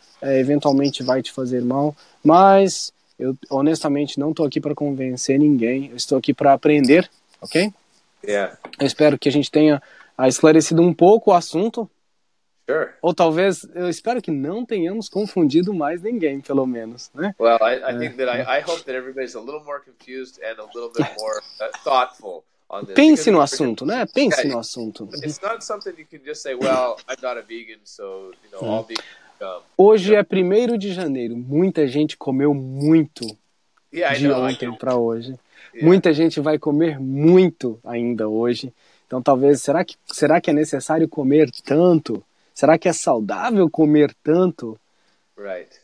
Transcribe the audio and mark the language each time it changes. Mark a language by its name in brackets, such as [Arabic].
[Portuguese] eventualmente vai te fazer mal, mas eu honestamente não estou aqui para convencer ninguém, eu estou aqui para aprender, ok? Eu espero que a gente tenha esclarecido um pouco o assunto. [English] Sure. [Portuguese] Ou talvez, eu espero que não tenhamos confundido mais ninguém, pelo menos, né? [English] Well, I think that I hope that everybody's a little more confused and a little bit more thoughtful. [Portuguese] Pense no assunto, né? Pense no assunto. [English] It's not something you can just say, well, I'm not a vegan, so, you know, all vegan. [Portuguese] Hoje é 1º de janeiro. Muita gente comeu muito de ontem para hoje. Muita gente vai comer muito ainda hoje. Então, talvez, será que é necessário comer tanto? Será que é saudável comer tanto? [English] Right.